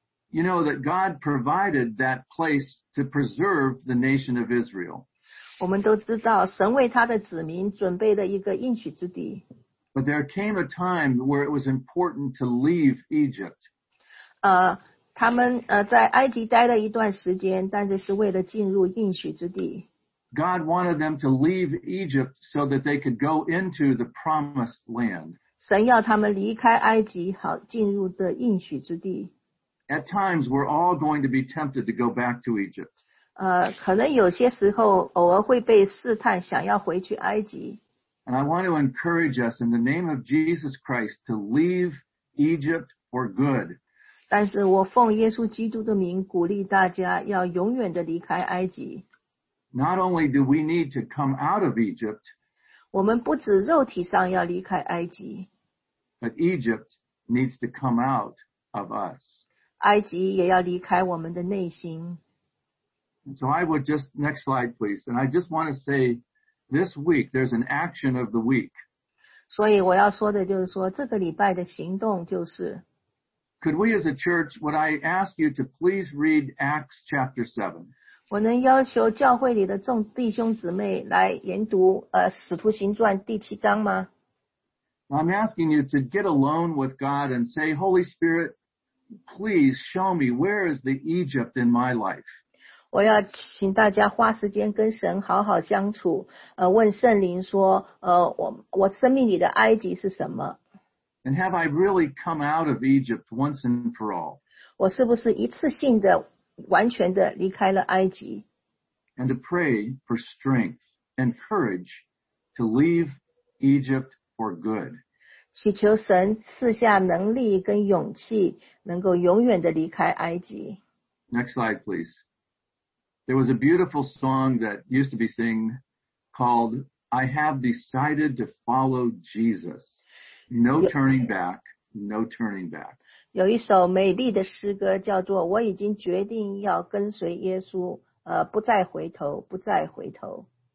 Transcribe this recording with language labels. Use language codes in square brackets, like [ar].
[en] You know that God provided that place to preserve the nation of Israel. [zh] 我们都知道神为他的子民准备的一个应许之地。 [en] But there came a time where it was important to leave Egypt. [zh] 他们在埃及待了一段时间，但是是为了进入应许之地。 [en] God wanted them to leave Egypt so that they could go into the promised land. [zh] 神要他们离开埃及，好进入的应许之地。 [en] At times, we're all going to be tempted to go back to Egypt. [zh] 可能有些时候偶尔会被试探，想要回去埃及。 [en] And I want to encourage us in the name of Jesus Christ to leave Egypt for good. [zh] 但是我奉耶稣基督的名鼓励大家要永远的离开埃及。 [en] Not only do we need to come out of Egypt, [zh] 我们不止肉体上要离开埃及。 [en] But Egypt needs to come out of us. [zh] 埃及也要离开我们的内心。 [en] And so I would just, next slide please, and I just want to say this week there's an action of the week. [zh] 所以我要说的就是说这个礼拜的行动就是 [en] Could we as a church, would I ask you to please read Acts chapter 7? [zh] 我能要求教会里的众弟兄姊妹来研读使徒行传第七章吗？ [en] I'm asking you to get alone with God and say, Holy Spirit, please show me where is the Egypt in my life? [zh] 我要请大家花时间跟神好好相处，问圣灵说，我生命里的埃及是什么？ [en] And have I really come out of Egypt once and for all? [zh] 我是不是一次性的完全的离开了埃及？ [en] And to pray for strength and courage to leave Egypt for good. [zh] 祈求神赐下能力跟勇气，能够永远的离开埃及。 [en] Next slide, please. There was a beautiful song that used to be sung called I Have Decided to Follow Jesus. No turning back, no turning back. [zh] 有一首美丽的诗歌叫做我已经决定要跟随耶稣不再回头不再回头。